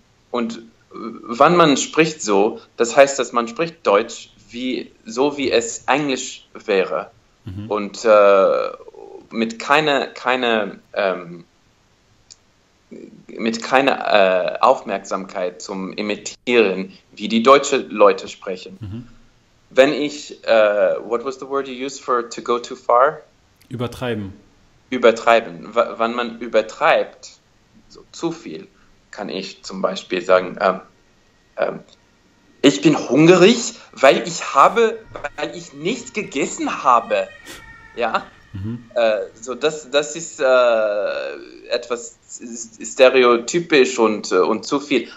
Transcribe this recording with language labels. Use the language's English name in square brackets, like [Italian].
[German] Und wann man spricht so, das heißt, dass man spricht Deutsch so wie es Englisch wäre. Und mit keine Aufmerksamkeit zum Imitieren, wie die deutschen Leute sprechen. Wenn ich, [English] what was the word you used for to go too far? [German] Übertreiben. Übertreiben. Wann man übertreibt, so zu viel, kann ich zum Beispiel sagen, ich bin hungrig, weil ich nichts gegessen habe. Ja? So das ist etwas stereotypisch und zu viel.